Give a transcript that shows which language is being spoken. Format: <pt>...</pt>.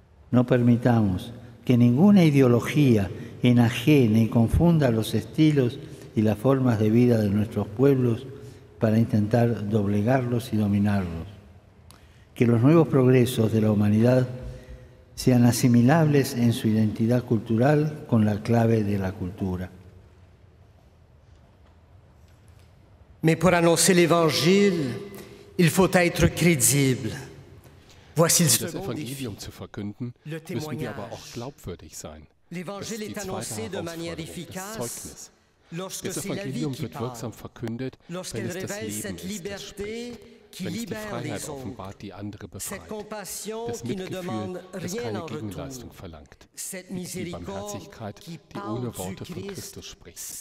<es>No permitamos que ninguna ideología enajene y confunda los estilos y las formas de vida de nuestros pueblos para intentar doblegarlos y dominarlos. Que los nuevos progresos de la humanidad sean asimilables en su identidad cultural con la clave de la cultura.</es> <fr>Mais pour annoncer l'Évangile, il faut être crédible.</fr> <de>Um das Evangelium zu verkünden, müssen wir aber auch glaubwürdig sein. Das ist die zweite Herausforderung, das Zeugnis. Das Evangelium wird wirksam verkündet, wenn es das Leben ist, das spricht, wenn es die Freiheit offenbart, die andere befreit, das Mitgefühl, das keine Gegenleistung verlangt, die Barmherzigkeit, die ohne Worte von Christus spricht.</de>